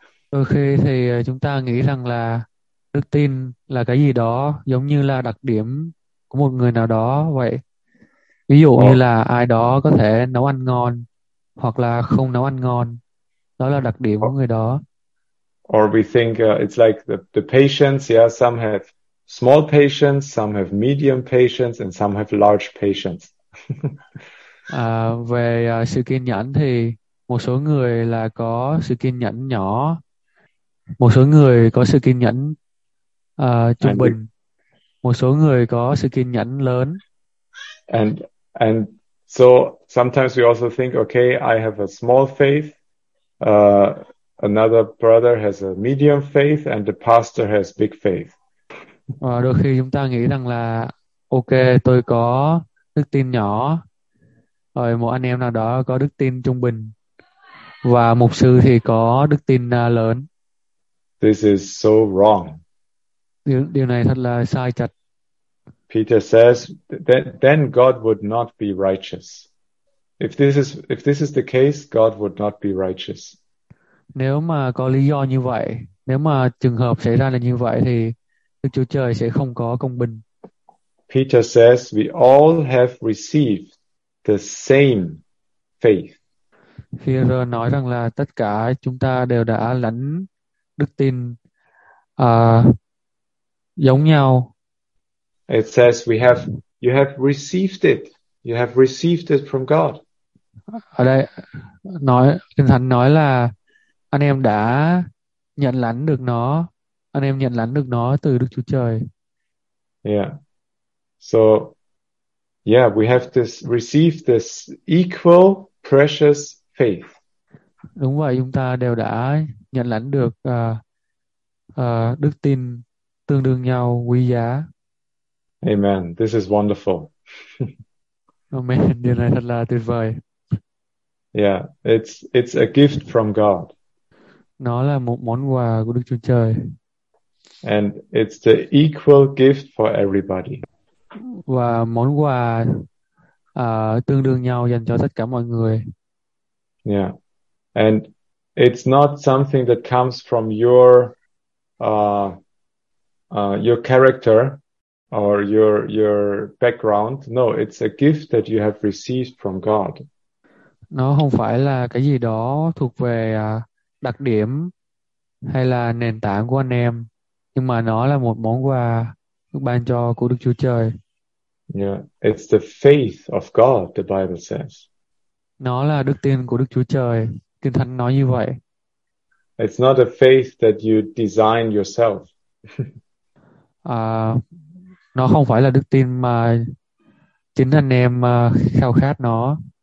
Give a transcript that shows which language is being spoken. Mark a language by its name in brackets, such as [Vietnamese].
[Vietnamese] Okay, thì chúng ta nghĩ rằng là đức tin là cái gì đó giống như là đặc điểm của một người nào đó vậy. Ví dụ như là ai đó có thể nấu ăn ngon hoặc là không nấu ăn ngon. Đó là đặc điểm của người đó. [English] Or we think it's like the patience, yeah, some have small patience, some have medium patience and some have large patience. [Vietnamese] Về sự kiên nhẫn thì một số người là có sự kiên nhẫn nhỏ, một số người có sự kiên nhẫn trung bình, một số người có sự kiên nhẫn lớn. [English] And so sometimes we also think, okay, I have a small faith, another brother has a medium faith, and the pastor has big faith. [Vietnamese] Và đôi khi chúng ta nghĩ rằng là, ok, tôi có đức tin nhỏ. Rồi một anh em nào đó có đức tin trung bình và mục sư thì có đức tin lớn. [English] This is so wrong. [Vietnamese] Điều này thật là sai chặt. [English] Peter says that then God would not be righteous. If this is the case, God would not be righteous. [Vietnamese] Nếu mà có lý do như vậy, nếu mà trường hợp xảy ra là như vậy thì Đức Chúa Trời sẽ không có công bình. [English] Peter says we all have received the same faith. [Vietnamese] Phi-rơ nói rằng là tất cả chúng ta đều đã lãnh đức tin giống nhau. [English] It says you have received it. You have received it from God. [Vietnamese] Ở đây nói Kinh Thánh nói là anh em đã nhận lãnh được nó. Anh em nhận lãnh được nó từ Đức Chúa Trời. [English] Yeah. So yeah, we have this receive this equal precious faith. [Vietnamese] Đúng vậy, chúng ta đều đã nhận lãnh được đức tin tương đương nhau quý giá. [English] Amen. This is wonderful. Amen. [Vietnamese] Điều này thật là tuyệt vời. [English] Yeah, it's a gift from God. [Vietnamese] Nó là một món quà của Đức Chúa Trời. [English] And it's the equal gift for everybody. [Vietnamese] Và món quà tương đương nhau dành cho tất cả mọi người. [English] Yeah. And it's not something that comes from your your character or your background. No, it's a gift that you have received from God. [Vietnamese] Nó không phải là cái gì đó thuộc về đặc điểm hay là nền tảng của anh em, nhưng mà nó là một món quà được ban cho của Đức Chúa Trời. [English] Yeah, it's the faith of God, the Bible says. [Vietnamese] Nó là đức tin của Đức Chúa Trời. Kinh Thánh nói như vậy. [English] It's not a faith that you design yourself. [Vietnamese] nó không phải là đức tin mà chính anh em khao khát nó.